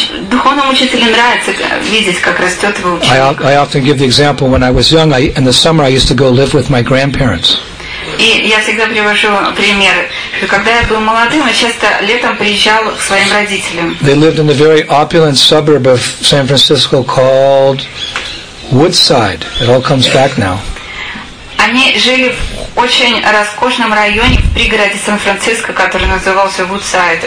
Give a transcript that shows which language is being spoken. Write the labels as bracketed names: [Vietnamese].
[Russian] Духовному учителю нравится видеть, как растет его ученик. [English] I often give the example when I was young, in the summer I used to go live with my grandparents. [Russian] И я всегда привожу пример, что когда я был молодым, я часто летом приезжал к своим родителям. [English] They lived in a very opulent suburb of San Francisco called Woodside. It all comes back now. [Russian] Они жили в очень роскошном районе в пригороде Сан-Франциско, который назывался Woodside.